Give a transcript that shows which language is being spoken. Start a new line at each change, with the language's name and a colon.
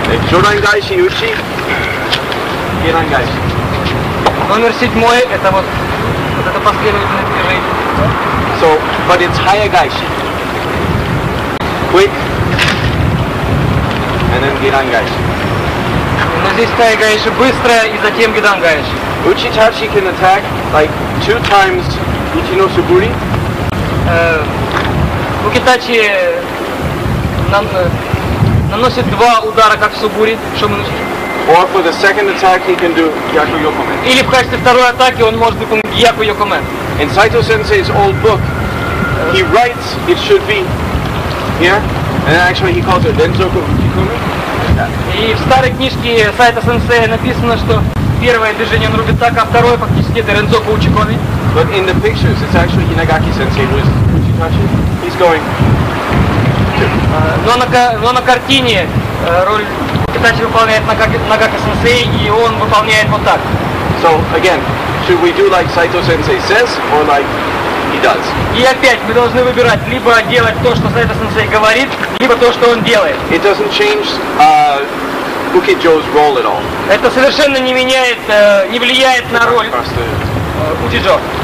Japanese: Джурангайши Юши. Джурангайши.
Russian: Номер седьмой, это вот, вот это последовательное движение.
English: So, but it's Хаягайши. Quick. And then Гирангайши.
Russian: Но здесь Хаягайши быстрая и затем Гирангайши.
English: Учитачи can attack like two times Ichino Suburi.
Russian: Учитачи наносит два удара как в Субури, что мы учили.
English: Or for the second attack he can do Gyaku Yokomen.
Russian: Или в качестве второй атаки он может выполнить Gyaku Yokomen.
English: In Saito Sensei's old book, he writes it should be here, and actually he calls it Denzoku Uchikumi.
Russian: И в старой книжке Saito Sensei написано, что первое движение он рубит так, а второе фактически это Рензоку Учикоми.
English: But in the pictures, it's actually Hinagaki Sensei who is Uchitachi. He's going.
Russian: Но на картине роль Учитачи выполняет Нагаки Сенсей, и он выполняет вот так.
English: So again, should we do like Saito Sensei says or like he does?
Russian: И опять мы должны выбирать либо делать то, что Saito Sensei говорит, либо то, что он делает.
English: It doesn't change Ukijo's role at all.
Russian: Это совершенно не меняет, не влияет на роль Ukijo.